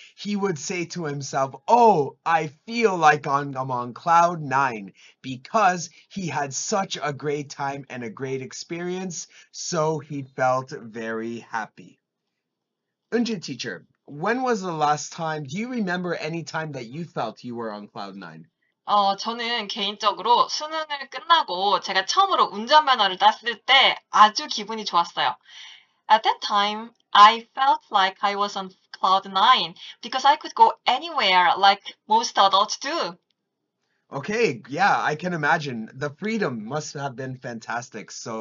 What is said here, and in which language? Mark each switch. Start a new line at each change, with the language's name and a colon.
English: He would say to himself, oh, I feel like I'm on cloud nine because he had such a great time and a great experience. So he felt very happy. 은주 teacher, when was the last time, do you remember any time that you felt you were on cloud nine?
Korean: 저는 개인적으로 수능을 끝나고 제가 처음으로 운전면허를 땄을 때 아주 기분이 좋았어요.
English: At that time, I felt like I was on cloud 9 because I could go anywhere like most adults do. Okay, yeah, I can imagine. The freedom must have been fantastic.